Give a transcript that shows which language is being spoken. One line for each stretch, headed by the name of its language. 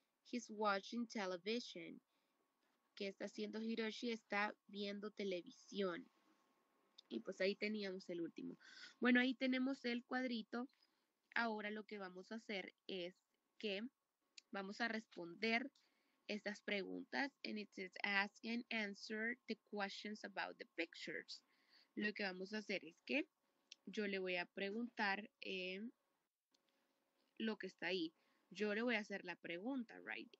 English: He's watching television.
Spanish: ¿Qué está haciendo Hiroshi? Está viendo televisión. Y pues ahí teníamos el último. Bueno, ahí tenemos el cuadrito. Ahora lo que vamos a hacer es que vamos a responder estas preguntas.
English: And it says ask and answer the questions about the pictures.
Spanish: Lo que vamos a hacer es que yo le voy a preguntar lo que está ahí. Yo le voy a hacer la pregunta, right?